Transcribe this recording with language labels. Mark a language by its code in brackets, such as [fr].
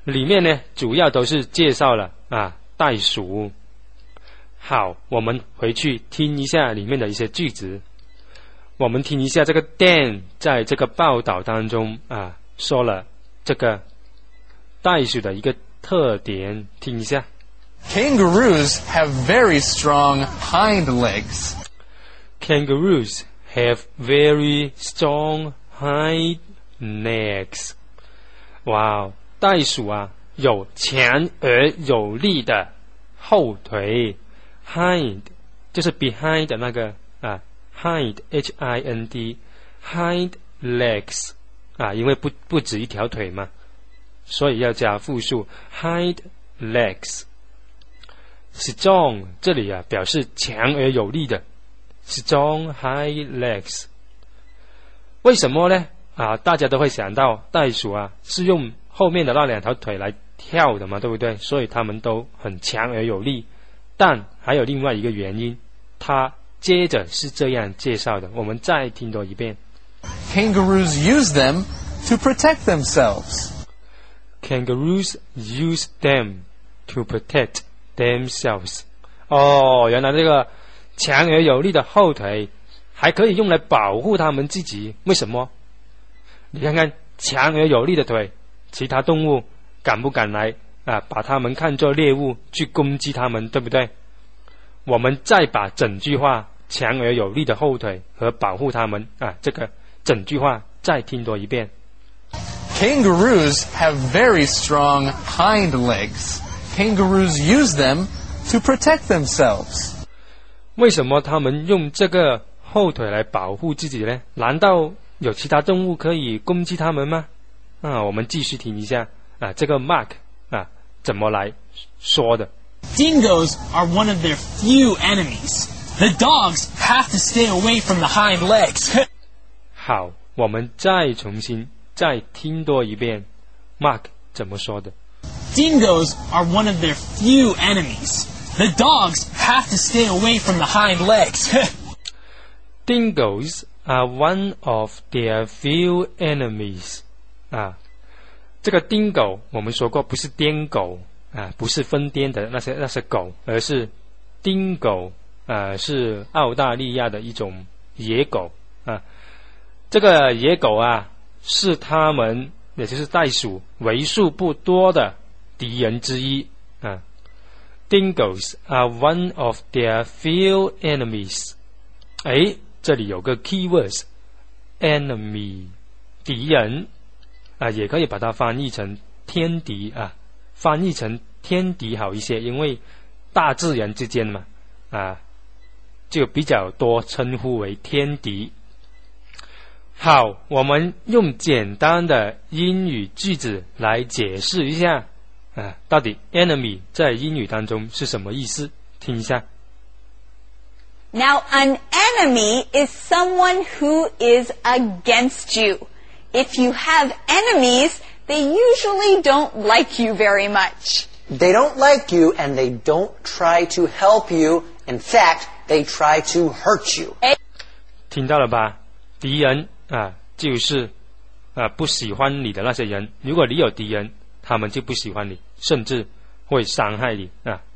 [zh] 里面呢，主要都是介绍了啊袋鼠。好，我们回去听一下里面的一些句子。我们听一下这个 Dan 在这个报道当中啊说了这个袋鼠的一个特点，听一下。 [en] Kangaroos have very strong hind legs. Kangaroos have very strong hind legs. [zh] 哇、wow, ，袋鼠啊有强而有力的后腿 ，hind 就是 behind 的那个啊。 Hind, H-I-N-D, hind legs, 啊，因为不止一条腿嘛，所以要加复数 hind legs. Strong 这里啊表示强而有力的 strong hind legs. 为什么呢？啊，大家都会想到袋鼠啊是用后面的那两条腿来跳的嘛，对不对？所以它们都很强而有力。但还有另外一个原因，它。接着是这样介绍的，我们再听多一遍。 [en] Kangaroos use them to protect themselves. Kangaroos use them to protect themselves. [zh] 哦，原来这个强而有力的后腿还可以用来保护他们自己，为什么？你看看强而有力的腿，其他动物敢不敢来啊？把他们看作猎物去攻击他们，对不对？我们再把整句话强而有力的后腿和保护它们啊。这个整句话再听多一遍。 [en] Kangaroos have very strong hind legs. Kangaroos use them to protect themselves. [zh] 为什么他们用这个后腿来保护自己呢？难道有其他动物可以攻击他们吗？啊，我们继续听一下啊，这个 Mark 啊怎么来说的。 [en] Dingoes are one of their few enemies. The dogs have to stay away from the hind legs. [zh] 好，我们再重新再听多一遍 ，Mark 怎么说的 [en] ？Dingoes are one of their few enemies. The dogs have to stay away from the hind legs. Dingoes are one of their few enemies. [zh] 啊，这个 dingo 我们说过不是癫狗啊，不是疯癫的那些狗，而是 dingo 啊，是澳大利亚的一种野狗啊。这个野狗啊，是他们，也就是袋鼠，为数不多的敌人之一啊。 [en] Dingoes are one of their few enemies. [zh] 哎，这里有个 keywords, enemy, 敌人啊，也可以把它翻译成天敌啊，翻译成天敌好一些，因为大自然之间嘛啊，就比较多称呼为天敌。好，我们用简单的英语句子来解释一下啊，到底 enemy 在英语当中是什么意思？听一下。 [en] Now an enemy is someone who is against you. If you have enemies, they usually don't like you very much. They don't like you and they don't try to help you. In fact, they try to hurt you. [zh] 听到了吧？敌人啊，就是啊，不喜欢你的那些人，如果你有敌人，他们就不喜欢你，甚至会伤害你啊。